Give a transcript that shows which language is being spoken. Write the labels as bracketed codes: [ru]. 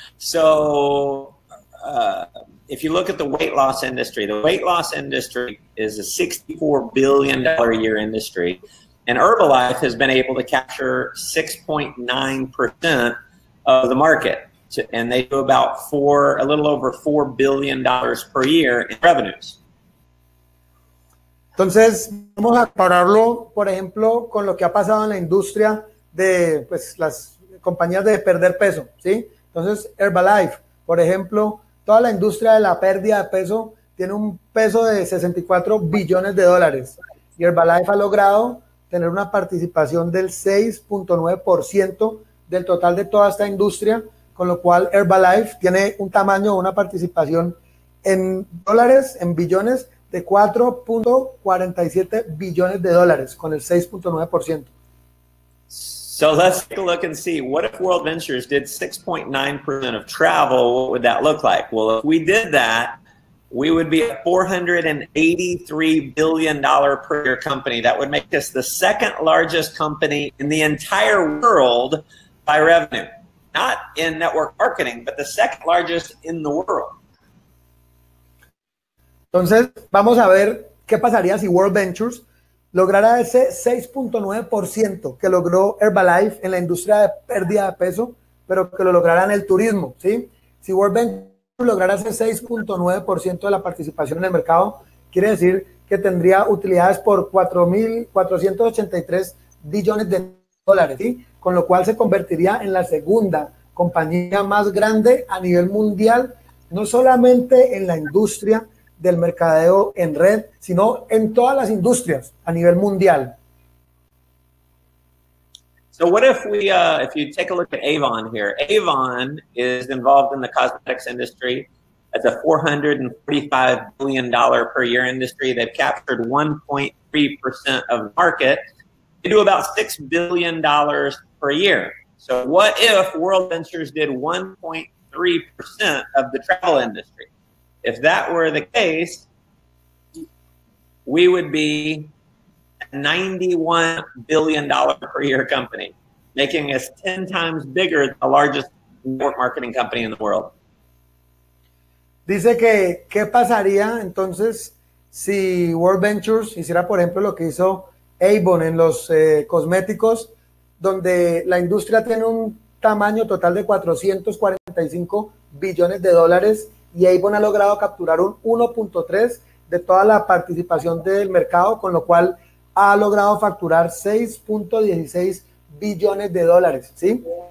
[en] So if you look at the weight loss industry, is a $64 billion a year industry. And Herbalife has been able to capture 6.9% of the market. And they do about a little over $4 billion per year in revenues. [es] Entonces, vamos a compararlo, por ejemplo, con lo que ha pasado en la industria de pues, las compañías de perder peso, ¿sí? Entonces, Herbalife, por ejemplo, toda la industria de la pérdida de peso tiene un peso de 64 billones de dólares. Y Herbalife ha logrado tener una participación del 6.9% del total de toda esta industria, con lo cual Herbalife tiene un tamaño, una participación en dólares, en billones, de 4.47 billones de dólares, con el 6.9%. [en] So let's take a look and see, what if World Ventures did 6.9% of travel, what would that look like? Well, if we did that, we would be a $483 billion per year company. That would make us the second largest company in the entire world by revenue. Not in network marketing, but the second largest in the world. [es] Entonces, vamos a ver qué pasaría si World Ventures lograra ese 6.9% que logró Herbalife en la industria de pérdida de peso, pero que lo lograra en el turismo, ¿sí? Si World Ventures lograr ese 6.9% de la participación en el mercado, quiere decir que tendría utilidades por 4.483 billones de dólares, ¿sí? Con lo cual se convertiría en la segunda compañía más grande a nivel mundial, no solamente en la industria del mercadeo en red, sino en todas las industrias a nivel mundial. [en] So what if we, if you take a look at Avon here, Avon is involved in the cosmetics industry. It's a $445 billion per year industry. They've captured 1.3% of the market. They do about $6 billion per year. So what if World Ventures did 1.3% of the travel industry? If that were the case, we would be $91 billion per year company, making us 10 times bigger than the largest network marketing company in the world. [es] Dice que, ¿qué pasaría entonces si World Ventures hiciera, por ejemplo, lo que hizo Avon en los cosméticos, donde la industria tiene un tamaño total de 445 billones de dólares y Avon ha logrado capturar un 1.3 de toda la participación del mercado, con lo cual ha logrado facturar 6.16 billones de dólares, ¿sí?